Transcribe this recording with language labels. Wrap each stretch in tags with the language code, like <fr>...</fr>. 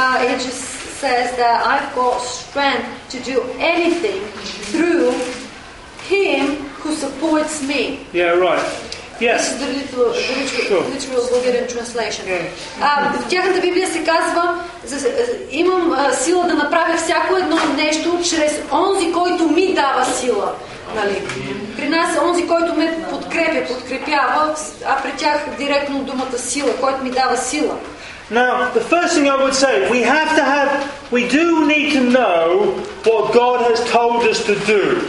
<en>It just says that I've got strength to do anything through him who supports me. Yeah, right. Yes. This is the literal Bulgarian translation.</en> <bg>В тяхната Библия се казва, имам сила да направя всяко едно нещо чрез онзи, който ми дава сила. Нали? При нас онзи, който ме подкрепява, а при тях директно думата сила, който ми дава сила.</bg> <en>Now, the first thing I would say, we do need to know what God has told us to do.</en>